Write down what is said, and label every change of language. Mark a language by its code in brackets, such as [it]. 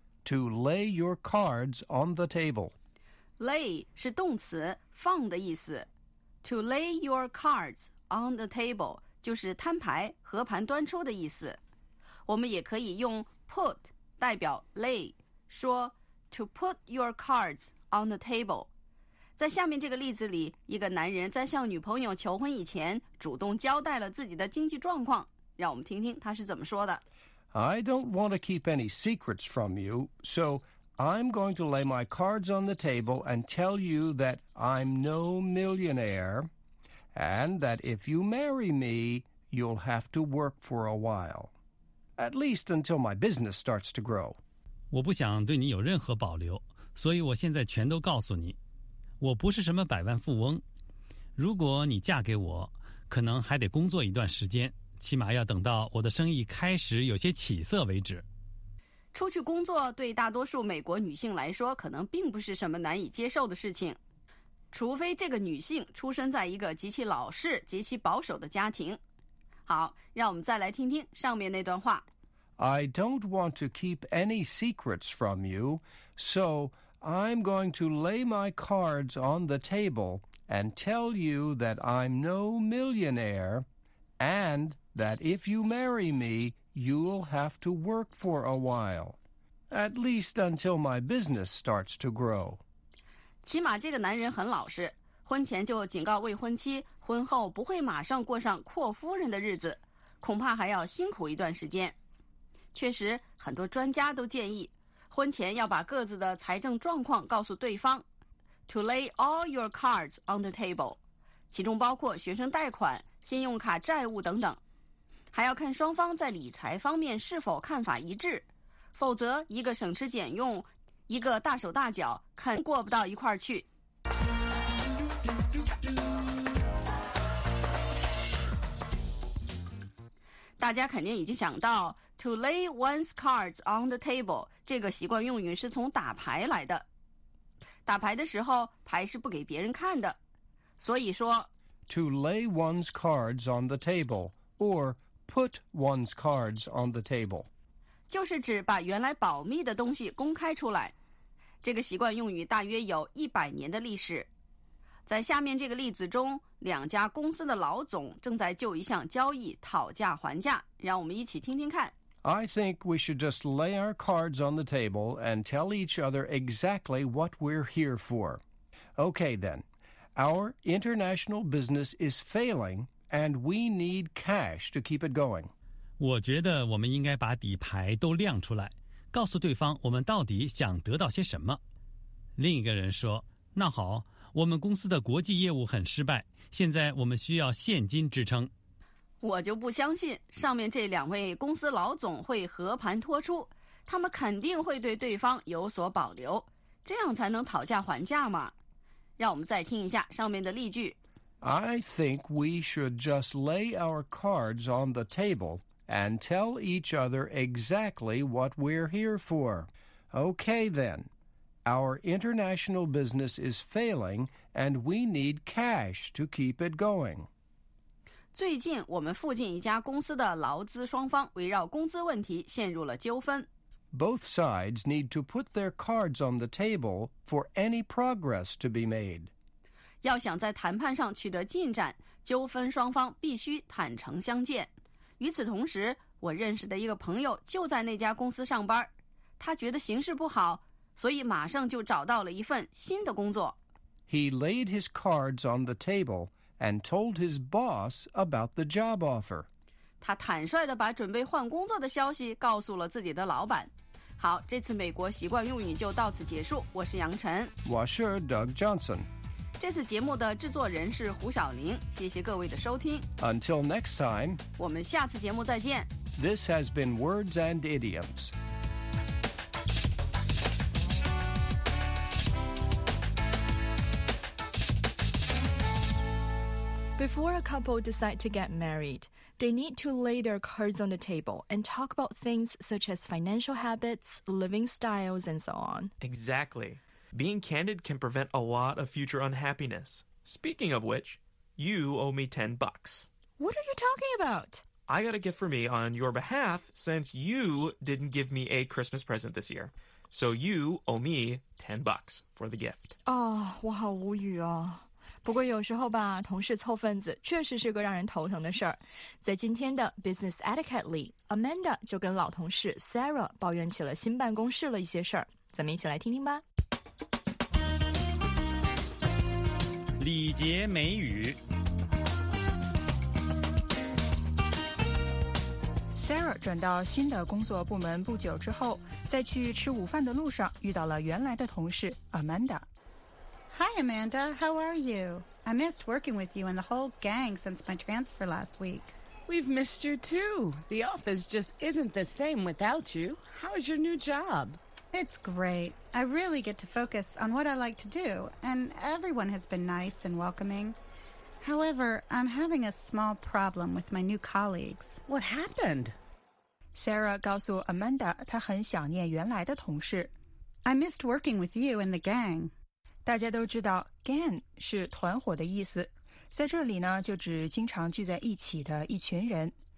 [en] To lay your cards on the table. [zh] Lay 是动词放的意思。 [en] To lay your cards on the table [zh] 就是摊牌和盘端出的意思。我们也可以用 put 代表 lay, 说 [en] to put your cards on the table. [zh] 在下面这个例子里，一个男人在向女朋友求婚以前主动交代了自己的经济状况，让我们听听他是怎么说的。 [en] I don't want to keep any secrets from you, so I'm going to lay my cards on the table and tell you that I'm no millionaire and that if you marry me, you'll have to work for a while, at least until my business starts to grow. [zh] 我不想对你有任何保留，所以我现在全都告诉你，我不是什么百万富翁，如果你嫁给我，可能还得工作一段时间，起码要等到我的生意开始有些起色为止。出去工作对大多数美国女性来说可能并不是什么难以接受的事情，除非这个女性出生在一个极其老式极其保守的家庭。好，让我们再来听听上面那段话。 [en] I don't want to keep any secrets from you, soI'm going to lay my cards on the table and tell you that I'm no millionaire and that if you marry me, you'll have to work for a while, at least until my business starts to grow. [zh] 起码这个男人很老实，婚前就警告未婚妻，婚后不会马上过上阔夫人的日子，恐怕还要辛苦一段时间。确实，很多专家都建议婚前要把各自的财政状况告诉对方。 [en] To lay all your cards on the table, [zh] 其中包括学生贷款、信用卡债务等等，还要看双方在理财方面是否看法一致，否则一个省吃俭用，一个大手大脚，肯过不到一块儿去。大家肯定已经想到 [en] to lay one's cards on the table [zh] 这个习惯用语是从打牌来的。打牌的时候牌是不给别人看的，所以说 [en] to lay one's cards on the table or put one's cards on the table [zh] 就是指把原来保密的东西公开出来。这个习惯用语大约有100年的历史。在下面这个例子中，两家公司的老总正在就一项交易讨价还价，让我们一起听听看。 [en] I think we should just lay our cards on the table and tell each other exactly what we're here for. Okay then, our international business is failing and we need cash to keep it going. [zh] 我觉得我们应该把底牌都亮出来，告诉对方我们到底想得到些什么。另一个人说，那好，我们公司的国际业务很失败，现在我们需要现金支撑。我就不相信上面这两位公司老总会和盘托出，他们肯定会对对方有所保留，这样才能讨价还价嘛。让我们再听一下上面的例句。 [en] I think we should just lay our cards on the table and tell each other exactly what we're here for. Okay, then. Our international business is failing, and we need cash to keep it going. [zh] 最近我们附近一家公司的劳资双方围绕工资问题陷入了纠纷。 [en] Both sides need to put their cards on the table for any progress to be made. [zh] 要想在谈判上取得进展，纠纷双方必须坦诚相见。与此同时，我认识的一个朋友就在那家公司上班，他觉得形势不好，所以马上就找到了一份新的工作。 [en] He laid his cards on the table and told his boss about the job offer. [zh] 他坦率地把准备换工作的消息告诉了自己的老板。好，这次美国习惯用语就到此结束。我是杨晨，我是 Doug Johnson。这次节目的制作人是胡晓玲，谢谢各位的收听。 [en] Until next time， [zh] 我们下次节目再见。 [en] This has been Words and Idioms。 Before a couple decide to get married, they need to lay their cards on the table and talk about things such as financial habits, living styles, and so on. Exactly. Being candid can prevent a lot of future unhappiness. Speaking of which, you owe me $10. What are you talking about? I got a gift for me on your behalf since you didn't give me a Christmas present this year. So you owe me $10 for the gift. [zh] Oh, 我好无语啊。不过有时候吧，同事凑份子确实是个让人头疼的事儿。在今天的 Business Etiquette 里， Amanda 就跟老同事 Sarah 抱怨起了新办公室的一些事儿。咱们一起来听听吧。礼节美语。 Sarah 转到新的工作部门不久之后，在去吃午饭的路上遇到了原来的同事 Amanda [en] Hi, Amanda. How are you? I missed working with you and the whole gang since my transfer last week. We've missed you, too. The office just isn't the same without you. How's your new job? It's great. I really get to focus on what I like to do, and everyone has been nice and welcoming. However, I'm having a small problem with my new colleagues. What happened? [zh] Sarah 告诉 Amanda 她很想念原来的同事。 [en] I missed working with you and the gang. [zh] 大家都知道 gang 是团伙的意思，在这里呢就指经常聚在一起的一群人。